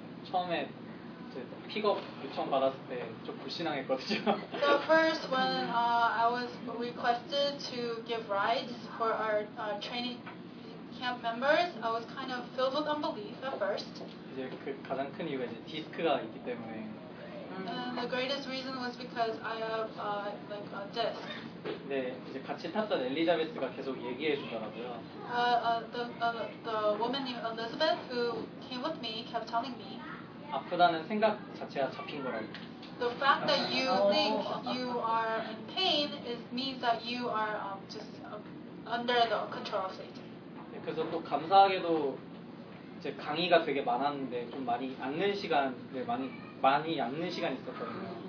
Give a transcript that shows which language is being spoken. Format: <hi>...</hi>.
<ko>처음에 픽업 요청 받았을 때 좀 불신앙했거든요.</ko> <en>So first when I was requested to give rides for our training camp members, I was kind of filled with unbelief at first.</en> <ko>이제 그 가장 큰 이유가 이제 디스크가 있기 때문에.</ko> <en>And the greatest reason was because I have like a disc.</en> <ko>네, 이제 같이 탔던 엘리자베스가 계속 얘기해 주더라고요.</ko> <en>The woman named Elizabeth who came with me kept telling me.</en> <ko>아프다는 생각 자체가 잡힌 거라고.</ko> <en>The fact that you think you are in pain is means that you are just under the control of Satan.</en> <ko>네, 그래서 또 감사하게도 이제 강의가 되게 많았는데 좀 많이 앉는 시간을 많이 앉는 시간 있었거든요.</ko>